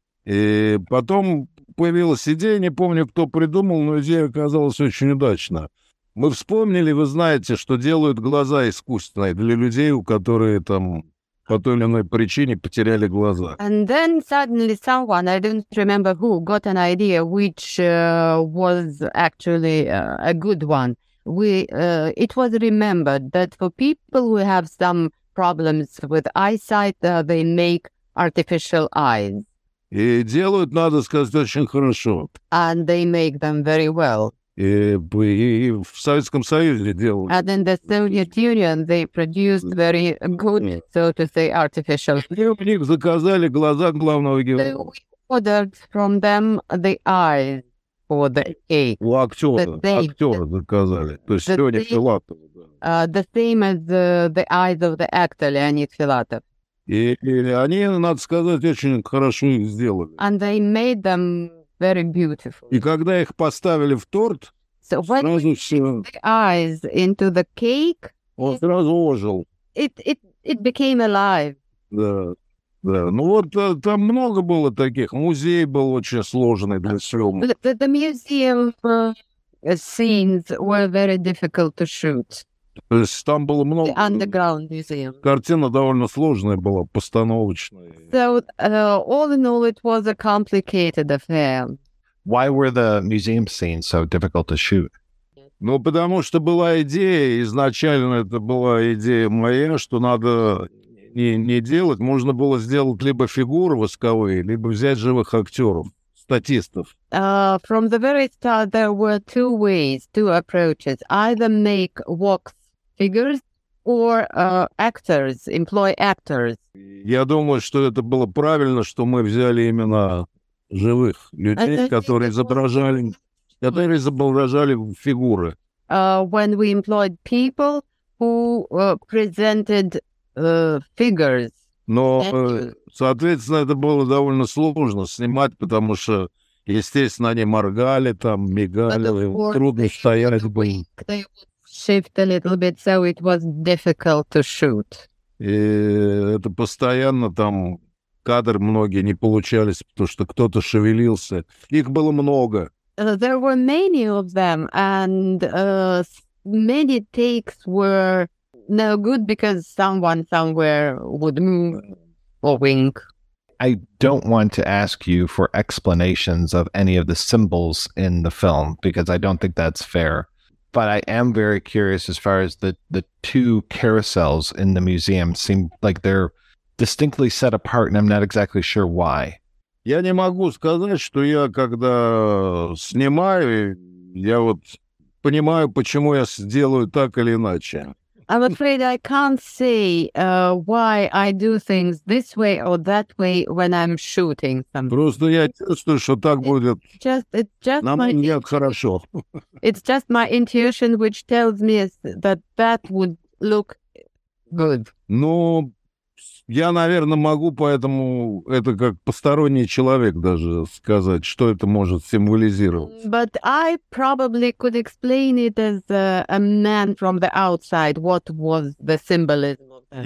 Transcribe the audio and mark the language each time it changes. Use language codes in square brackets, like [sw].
[ru] И потом появилась идея, не помню, кто придумал, но идея оказалась очень удачной. Мы вспомнили, вы знаете, что делают глаза искусственные для людей, у которых там по той или иной причине потеряли глаза. [en] And then suddenly someone, I don't remember who, got an idea which was actually a good one. It was remembered that for people who have some problems with eyesight, they make artificial eyes. [ru] И делают, надо сказать, очень хорошо. [en] And they make them very well. [ru] И в Советском Союзе делали. [en] And in the Soviet Union they produced very good, so to say, artificial. [ru] И у них заказали глаза главного героя. [en] We ordered from them the eyes for the cake. [ru] У актера заказали. То есть Леонид Филатов. [en] The same as the eyes of the actor Leonid Filatov. [ru] И они, надо сказать, очень хорошо их сделали. [en] And they made them very beautiful. [ru] И когда их поставили в торт, [en] so when [ru] сразу все... [en] the eyes into the cake, [ru] он сразу ожил. [en] It became alive. [ru] Да, да. Ну вот там много было таких. Музей был очень сложный для съемок. [en] The museum scenes were very difficult to shoot. [ru] То есть там было много... [en] The Underground Museum. [ru] Картина довольно сложная была, постановочная. [en] So, all in all, it was a complicated affair. Why were the museum scenes so difficult to shoot? [ru] Ну, потому что была идея, изначально это была идея моя, что надо не делать. Можно было сделать либо фигуры восковые, либо взять живых актеров, статистов. [en] From the very start, there were two ways, two approaches. Either make walk figures or actors, employ actors. [ru] Я думаю, что это было правильно, что мы взяли именно живых людей, которые изображали... Которые изображали фигуры. [en] When we employed people who presented figures. [ru] Но, соответственно, это было довольно сложно снимать, потому что, естественно, они моргали, там, мигали, трудно стоять бы. [en] They would shift a little bit, so it was difficult to shoot. [ru] И это постоянно там кадры многие не получались, потому что кто-то шевелился. Их было много. [en] There were many of them, and many takes were no good because someone somewhere would move or wink. I don't want to ask you for explanations of any of the symbols in the film, because I don't think that's fair. But I am very curious as far as the two carousels in the museum seem like they're distinctly set apart, and I'm not exactly sure why. [ru] Я не могу сказать, что я, когда снимаю, я вот понимаю, почему я сделаю так или иначе. [en] I'm afraid I can't say why I do things this way or that way when I'm shooting something. [ru] Просто я чувствую, что так будет. Хорошо. [en] It's just my intuition which tells me that that would look good. [ru] Но... Я, наверное, могу поэтому это как посторонний человек даже сказать, что это может символизировать. [en] But I probably could explain it as a man from the outside, what was the symbolism of that.